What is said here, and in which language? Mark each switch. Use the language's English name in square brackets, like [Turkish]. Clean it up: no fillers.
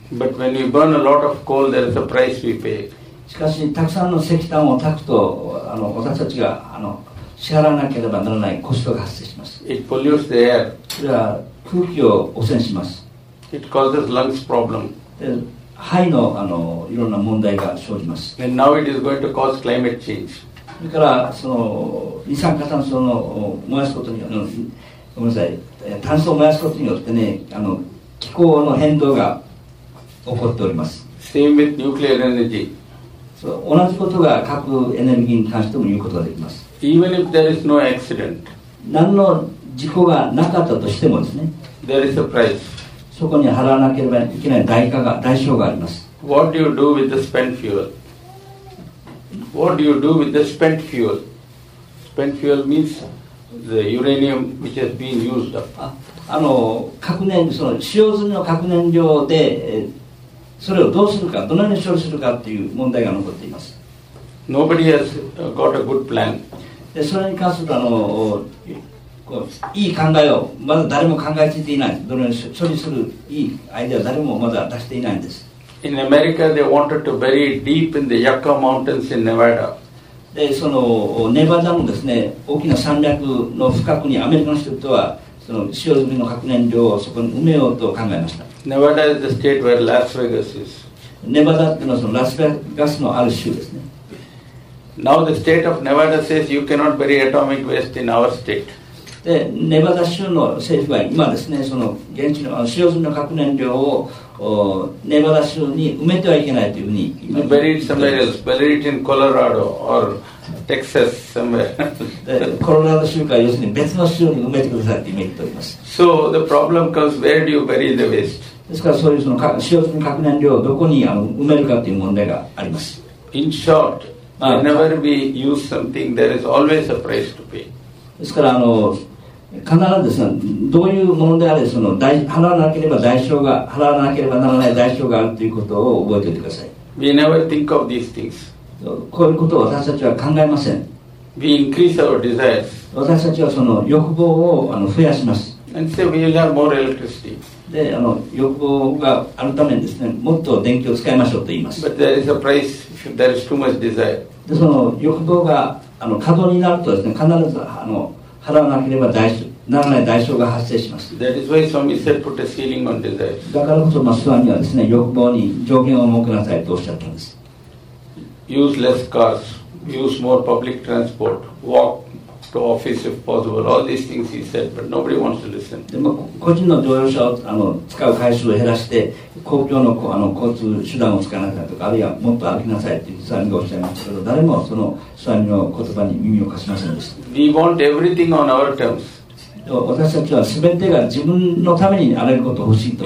[English] But when you burn a lot of coal, there is a price we pay. [Japanese] しかしたくさんの石炭を焚くと私たちが支払わなければならないコストが発生します。 [English] It pollutes the air. [Japanese] それは空気を汚染します。 [English] It causes lungs problem. [Japanese] で肺のいろんな問題が生じます。 [English] And now it is going to cause climate change. [Japanese] それからその二酸化炭素を燃やすことによって、ごめんなさい、炭素を燃やすことによってね、気候の変動が起こっております。 [English] Same with nuclear energy. [Japanese] そう、同じことが核エネルギーに関しても言うことができます。 [English] Even if there is no accident, [Japanese] 何の事故がなかったとしてもですね、 [English] there is a price. [Japanese] そこに払わなければいけない代償があります。 [English] What do you do with the spent fuel? What do you do with the spent fuel? Spent fuel means the uranium which has been used up. [Japanese] 核燃料、その使用済みの核燃料で、それをどうするか、どのように処理するかという問題が残っています。 [English] Nobody has got a good plan. [Japanese] それに関するといい考えをまだ誰も考えついていない。どのように処理するいいアイデアを誰もまだ出していないんです。 [English] In America, they wanted to bury deep in the Yucca Mountains in Nevada. [Japanese] で、そのネバダのですね、大きな山脈の深くにアメリカの人々はその使用済みの核燃料をそこに埋めようと考えました。 [English] Nevada is the state where Las Vegas is. [Japanese] ネバダっていうのはそのラスベガスのある州ですね。 [English] Now the state of Nevada says you cannot bury atomic waste in our state. [Japanese] で、ネバダ州の政府は今ですね、その現地の使用済みの核燃料をネバダ州に埋めてはいけないというふうに [English] 今。Bury it somewhere else. Bury it in Colorado or Texas somewhere. [Japanese] で、コロラド州か要するに別の州に埋めてくださいと言っております。 [English] So the problem comes, where do you bury the waste? [Japanese] ですからそういうその使用済み核燃料をどこに埋めるかという問題があります。 [English] In short,Whenever we use something, there is always a price to pay. [Japanese] ですから必ずですね、どういうものであれその払わなければ代償が払わなければならない代償があるということを覚えておいてください。 [English] We never think of these things. [Japanese] こういうことを私たちは考えません。 [English] We increase our desires. [Japanese] 私たちはその欲望を増やします。 [English] And say we have more electricity. [Japanese] で欲望があるためにですね、もっと電気を使いましょうと言います。 [English] But there is a price if there is too much desire. [Japanese] でその欲望が過度になるとですね、必ず払わなければならない代償が発生します。 [English] That is why Swami said put a ceiling on desires. [Japanese] だからこそマスワミはですね、欲望に上限を設けなさいとおっしゃったんです。 [English] Use less cars. Use more public transport. Walk. To office if possible. All these things he said, but nobody wants to listen. [Japanese] でも個人の乗用車を使う回数を減らして、公共の交通手段を使わなさいとか、あるいはもっと歩きなさいというスワミがおっしゃいましたけど、誰もそのスワミの言葉に耳を貸しませんでした。 [English] We want everything on our terms. [Japanese] 私たちは全てが自分のためにあれることを欲しいと。